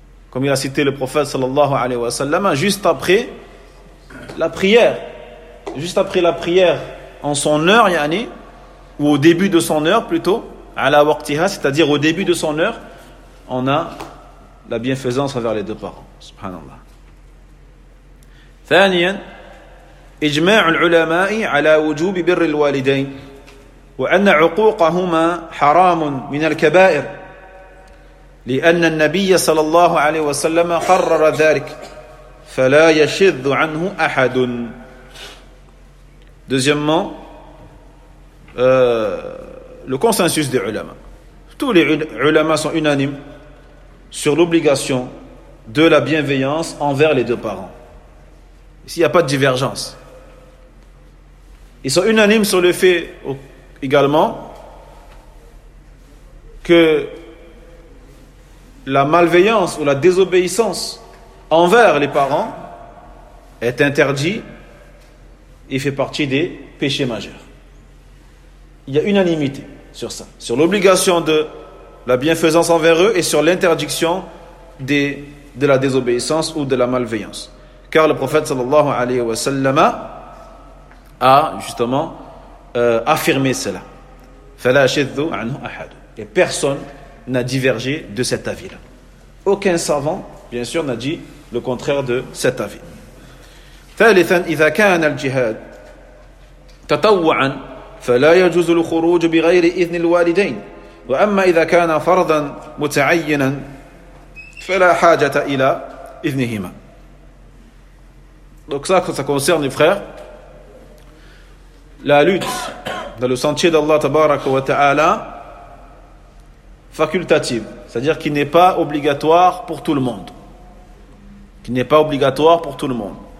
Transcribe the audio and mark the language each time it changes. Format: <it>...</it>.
<fr>Comme il a cité le prophète sallallahu alayhi wa sallam, juste après la prière. Juste après la prière en son heure, yani, ou au début de son heure plutôt, ala waqtiha, c'est-à-dire au début de son heure, on a la bienfaisance envers les deux parents. Subhanallah.</fr> <ar>ثانيا إجماع العلماء على وجوب بر الوالدين وأن عقوقهما حرام من الكبائر لأن النبي صلى الله عليه وسلم قرر ذلك فلا يشذ عنه أحد.</ar> <fr>Deuxièmement, le consensus des ulama. Tous les ulama sont unanimes sur l'obligation de la bienveillance envers les deux parents. Ici, il n'y a pas de divergence. Ils sont unanimes sur le fait également que la malveillance ou la désobéissance envers les parents est interdite et fait partie des péchés majeurs. Il y a unanimité sur ça, sur l'obligation de la bienfaisance envers eux et sur l'interdiction des de la désobéissance ou de la malveillance. Car le prophète sallallahu alayhi wa sallam a justement affirmé cela.</fr> <ar>Fala shadhu anhu ahad.</ar> <fr>Et personne n'a divergé de cet avis-là. Aucun savant, bien sûr, n'a dit le contraire de cet avis.</fr> <ar>Thalithan, idha kana al-jihad tatawwa'an فلا يجوز الخروج بغير إذن الوالدين وأما إذا كان فرضا متعينا فلا حاجة إلى إذنهما.</ar> <fr>Donc ça concerne, frères, la lutte dans le sentier d'Allah tabaraka wa ta'ala facultative, c'est-à-dire qui n'est pas obligatoire pour tout le monde, qui n'est pas obligatoire pour tout le monde.</fr>